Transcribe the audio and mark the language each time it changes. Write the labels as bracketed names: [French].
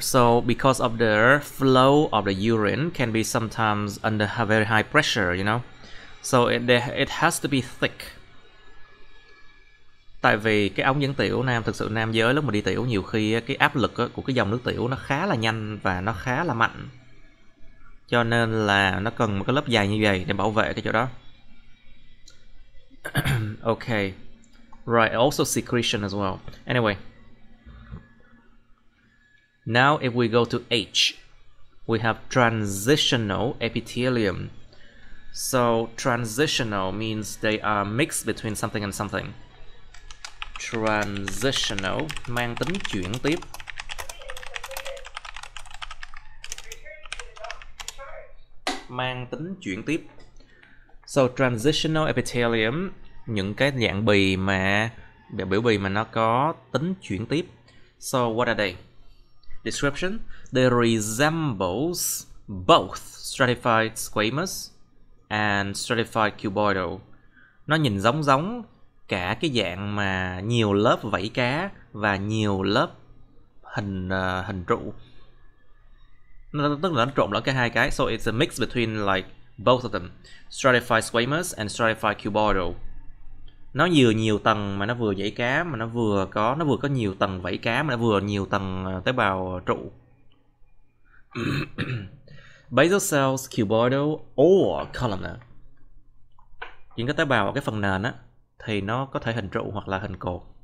[English] So because of the flow of the urine can be sometimes under a very high pressure, you know. So it has to be thick. [Vietnamese] Tại vì cái ống dẫn tiểu nam, thực sự nam giới lúc mà đi tiểu nhiều khi cái áp lực của cái dòng nước tiểu nó khá là nhanh và nó khá là mạnh. Cho nên là nó cần một cái lớp dày như vậy để bảo vệ cái chỗ đó. [English] Okay. Right, also secretion as well. Anyway. Now if we go to H, we have transitional epithelium. So transitional means they are mixed between something and something. [Vietnamese] Transitional mang tính chuyển tiếp. Mang tính chuyển tiếp. [English] So transitional epithelium, [Vietnamese] những cái dạng bì mà biểu bì mà nó có tính chuyển tiếp. [English] So what are they? Description: They resembles both stratified squamous and stratified cuboidal. [Vietnamese] Nó nhìn giống giống cả cái dạng mà nhiều lớp vảy cá và nhiều lớp hình hình trụ. Tức là nó trộn lẫn cả hai cái. [English] So it's a mix between like both of them, stratified squamous and stratified cuboidal. [Vietnamese] Nó vừa nhiều, nhiều tầng mà nó vừa vảy cá mà nó vừa có nhiều tầng vảy cá mà nó vừa nhiều tầng tế bào trụ. [English] Basal cells cuboidal or columnar. [Vietnamese] Những cái tế bào ở cái phần nền á thì nó có thể hình trụ hoặc là hình cột.